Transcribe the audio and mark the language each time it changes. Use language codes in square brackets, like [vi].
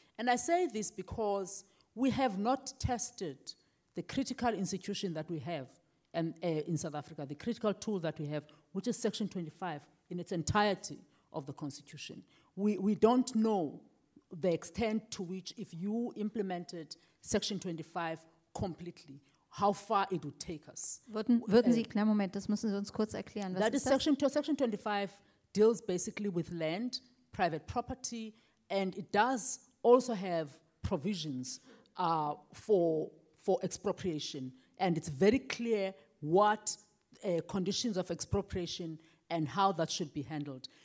[en] And I say this because we have not tested the critical institution that we have in South Africa, the critical tool that we have, which is Section 25 in its entirety of the Constitution. We don't know the extent to which, if you implemented Section 25 completely, how far it would take us. [de] Würden Sie, klar, Moment, das müssen Sie uns kurz erklären. [en] That is Section 25 deals basically with land, private property, and it does also have provisions for expropriation. And it's very clear what conditions of expropriation and how that should be handled.